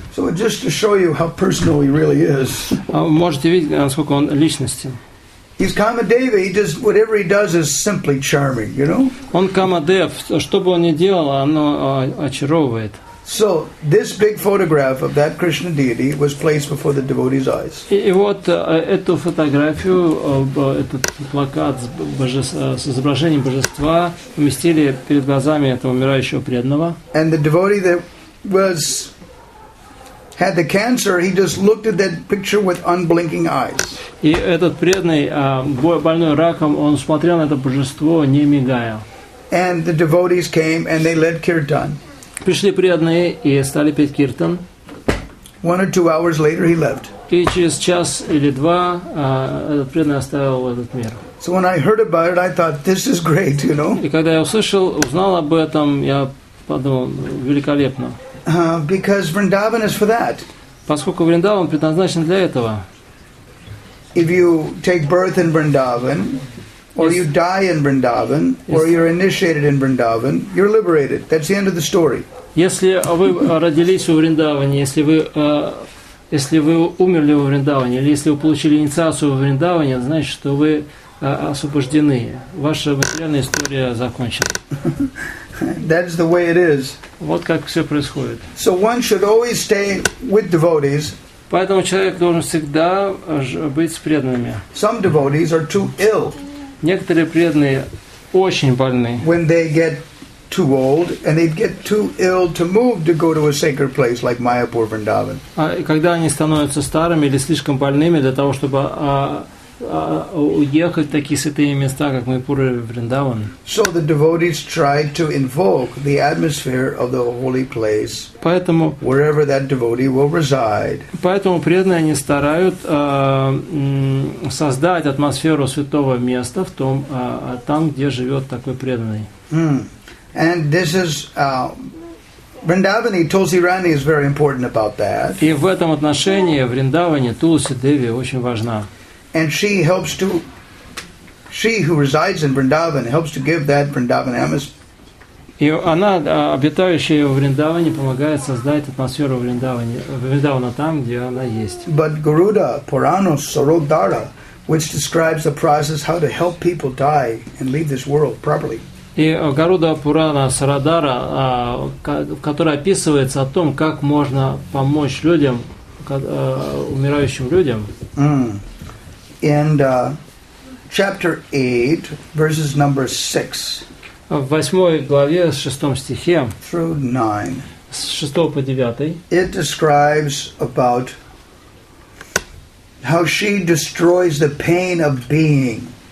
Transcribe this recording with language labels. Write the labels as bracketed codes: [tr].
[en] So just to show you how personal he really is. [ru] Можете видеть, насколько он личностен. [en] He's Kamadeva. He does whatever he does is simply charming, you know. [ru] Он Камадев. Что бы он ни делал, оно очаровывает. [en] So this big photograph of that Krishna deity was placed before the devotee's eyes. [ru] И вот эту фотографию, этот плакат с изображением божества поместили перед глазами этого умирающего преданного. [en] And the devotee that had the cancer, he just looked at that picture with unblinking eyes. [ru] И этот преданный, больной раком, он смотрел на это божество, не мигая. [en] And the devotees came and they led kirtan. [ru] Пришли преданные и стали петь киртан. [en] One or two hours later, he left. [ru] И через час или два этот преданный оставил этот мир. [en] So when I heard about it, I thought, this is great, you know. [ru] И когда я узнал об этом, я подумал, великолепно. [en] Because Vrindavan is for that. [ru] Поскольку Вриндаван предназначен для этого. [en] If you take birth in Vrindavan, or you die in Vrindavan, or you're initiated in Vrindavan, you're liberated. That's the end of the story. [ru] Если вы родились в Вриндаване, если вы умерли в Вриндаване, или если вы получили инициацию в Вриндаване, значит, что вы освобождены. Ваша материальная история закончена. [en] That's the way it is. [ru] Вот как все происходит. [en] So one should always stay with devotees. [ru] Поэтому человек должен всегда быть с преданными. [en] Some devotees are too ill. [ru] Некоторые преданные очень больны. [en] When they get too old and they get too ill to move to go to a sacred place like Mayapur Vrindavan. [ru] Когда они становятся старыми или слишком больными для того, чтобы уехать в такие святые места, как Майпур и Вриндаван. [en] So the devotees try to invoke the atmosphere of the holy place, [ru] поэтому, [en] wherever that devotee will reside. [ru] Поэтому преданные они старают создать атмосферу святого места в том, там, где живет такой преданный. [en] And this is Vrindavani Tulsi Rani is very important about that. [ru] И в этом отношении Вриндаване Тулси Деви очень важна. [en] And she who resides in Vrindavan helps to give that Vrindavan atmosphere. [ru] И она, обитающая в Вриндаване, помогает создать атмосферу Вриндавана там, где она есть. [en] But Garuda Purana Sarodhara, which describes the process how to help people die and leave this world properly. [ru] И Гаруда Пурана Сарадара, которая описывается о том, как можно помочь людям, умирающим людям. [en] And chapter 8, verses number 6. [ru] В восьмой главе, в шестом стихе. [en] Through 9. [ru] С шестого по девятый. [en] It describes about how she destroys the pain of being.